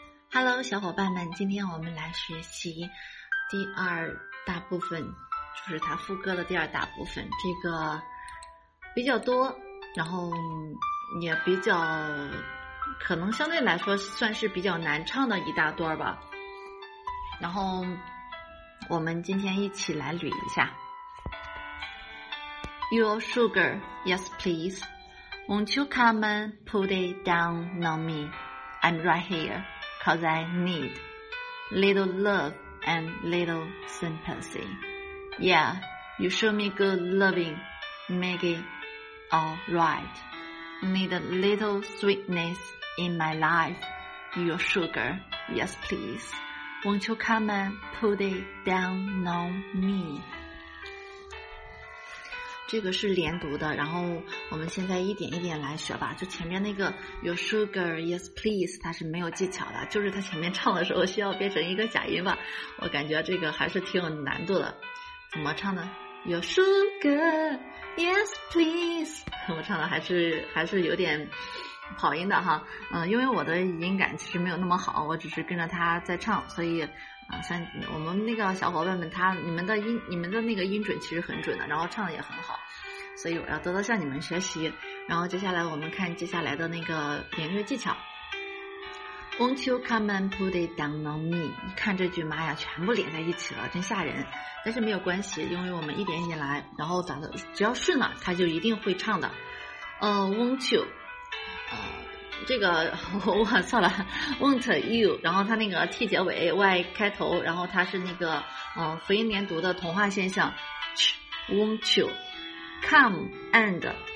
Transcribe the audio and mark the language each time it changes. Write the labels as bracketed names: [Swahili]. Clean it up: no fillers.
[Chinese] Hello， 小伙伴们，今天我们来学习第二大部分，就是它副歌的第二大部分，这个比较多，然后也比较，可能相对来说算是比较难唱的一大段吧。然后我们今天一起来捋一下。 [English] Your sugar, yes please. Won't you come and put it down on me? I'm right here. Cause I need little love and little sympathy. Yeah, you show me good loving, make it all right. Need a little sweetness in my life. Your sugar, yes please. Won't you come and put it down on me? [Chinese] 这个是连读的，然后我们现在一点一点来学吧。就前面那个 [English] Your sugar, yes please， [Chinese] 它是没有技巧的，就是它前面唱的时候需要变成一个假音吧。我感觉这个还是挺有难度的。怎么唱呢？ [English] Your sugar, yes please。 [Chinese] 我唱的还是有点跑音的哈。因为我的音感其实没有那么好，我只是跟着它在唱，所以像我们那个小伙伴们，你们的那个音准其实很准的，然后唱的也很好，所以我要多多向你们学习。然后接下来我们看接下来的那个连乐技巧。 [English] Won't you come and put it down on me？ [Chinese] 你看这句，妈呀，全部连在一起了，真吓人。但是没有关系，因为我们一点一点来，然后咱们只要顺了，他就一定会唱的。 [English] Won't you？ [Chinese] 这个我错了 ， [English] Won't you？ [Chinese] 然后它那个 T 结尾 ，Y 开头，然后它是那个辅音连读的童话现象 ， [English] Won't you come and？